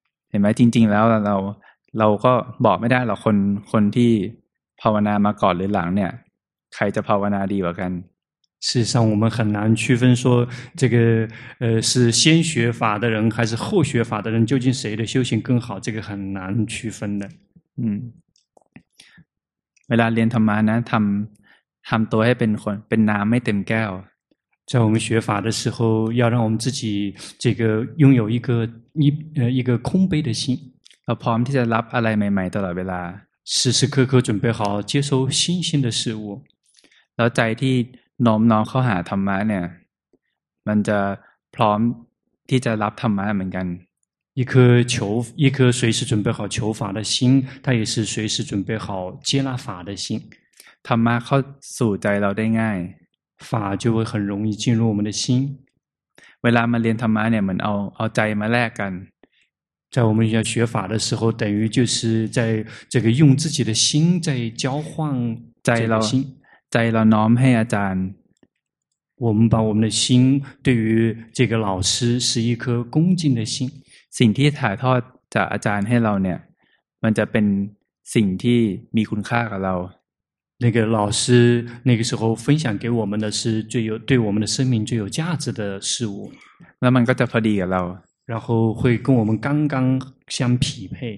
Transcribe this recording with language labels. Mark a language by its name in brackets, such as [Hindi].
[Thai] เห็นไหมจริงๆแล้วเราก็บอกไม่ได้หรอกคนที่ภาวนามาก่อนหรือหลังเนี่ยใครจะภาวนาดีกว่ากัน [Chinese] 事实上我们很难区分说这个是先学法的人还是后学法的人究竟谁的修行更好这个很难区分的 [Thai] เวลาเรียนธรรมะนะทำตัวให้เป็นน้ำไม่เต็มแก้ว [Chinese] 在我们学法的时候要让我们自己这个拥有一个空杯的心 [Thai] เราพร้อมที่จะรับอะไรใหม่ๆตลอดเวลา [Chinese] 时时刻刻准备好接收新鲜的事物 [Thai] แล้วใจที่น้อมน้อมเข้าหาธรรมะเนี่ยมันจะพร้อมที่จะรับธรรมะเหมือนกัน [Chinese] 一颗随时准备好求法的心它也是随时准备好接纳法的心 [Thai] ธรรมะเข้าสู่ใจเราได้ง่าย [Chinese] 法就会很容易进入我们的心 [Thai] เวลามาเรียนธรรมะเนี่ยเหมือนเอาใจมาแลกกัน [Chinese] 在我们要学法的时候等于就是在这个用自己的心在交换 [Thai] ใจเราน้อมให้อาจารย์ [Chinese] 我们把我们的心对于这个老师是一颗恭敬的心 [Thai] สิ่งที่ถ่ายทอดจากอาจารย์ให้เราเนี่ยมันจะเป็นสิ่งที่มีคุณค่ากับเรา [Chinese] 那个老师那个时候分享给我们的是最有对我们的生命最有价值的事物 [Thai] แล้วมันก็จะพอดีกับเรา [Chinese] 然后会跟我们刚刚相匹配